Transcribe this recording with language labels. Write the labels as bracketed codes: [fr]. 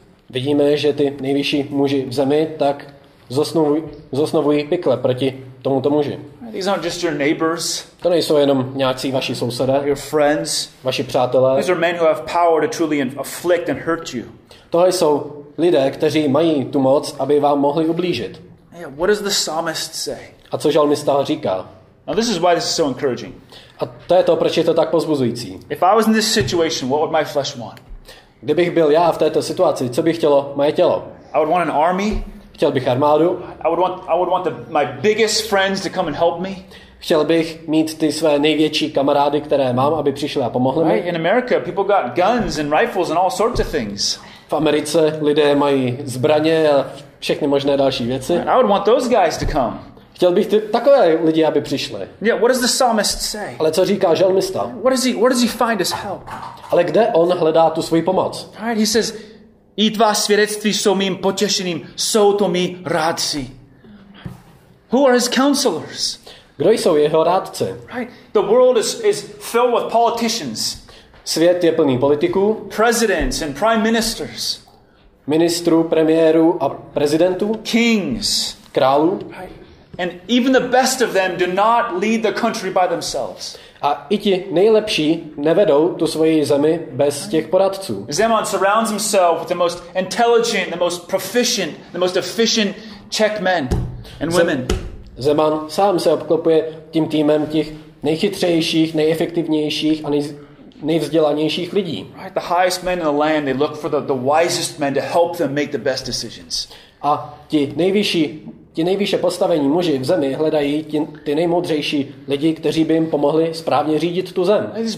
[cs] Vidíme, že ty nejvyšší muži v zemi tak zosnovují pikle proti tomuto muži. [en] These aren't just your neighbors. [cs] To nejsou jenom nějací vaši sousedé. [en] Your friends. [cs] Vaši přátelé. [en] These are men who have power to truly afflict and hurt you. [cs] To jsou lidé, kteří mají tu moc, aby vám mohli ublížit. [en] Yeah, what does the psalmist say? [cs] A co žalmista říká? [en] Now this is why this is so encouraging. [cs] A to je to, proč je to tak povzbuzující. [en] If I was in this situation, what would my flesh want? [cs] Kdybych byl já v této situaci, co by chtělo moje tělo? [en] I would want an army. [cs] Chtěl bych armádu. [en] I would want my biggest friends to come and help me. [cs] Chtěl bych mít ty své největší kamarády, které mám, aby přišli a pomohli mi. [en] In America, people got guns and rifles and all sorts of things. [cs] V Americe lidé mají zbraně a všechny možné další věci. [en] I would want those guys to come. [cs] Chtěl bych takové lidi, aby přišli. [en] Yeah, what does the psalmist say? [cs] Ale co říká žalmista? [en] Where does he find his help? [cs] Ale kde on hledá tu svoji pomoc? [en] Right, he says, [cs] I tvá svědectví jsou mým potěšením, jsou to mý rádci. [en] Who are his counselors? [cs] Kdo jsou jeho rádci? [en] Right. The world is filled with politicians. [cs] Svět je plný politiků. [en] Presidents and prime ministers. [cs] Ministrů, premiérů a prezidentů. [en] Kings. [cs] Králů. [en] And even the best of them do not lead the country by themselves. [cs] A i ti nejlepší nevedou tu svoji zemi bez těch poradců. [en] Zeman surrounds himself with the most intelligent, the most proficient, the most efficient Czech men and women. [cs] Zeman sám se obklopuje tím týmem těch nejchytřejších, nejefektivnějších a nejvzdělanějších lidí. [en] Right, the highest men in the land, they look for the wisest men to help them make the best decisions. [cs] A ti nejvýše postavení muži v zemi hledají ty nejmoudřejší lidi, kteří by jim pomohli správně řídit tu zem.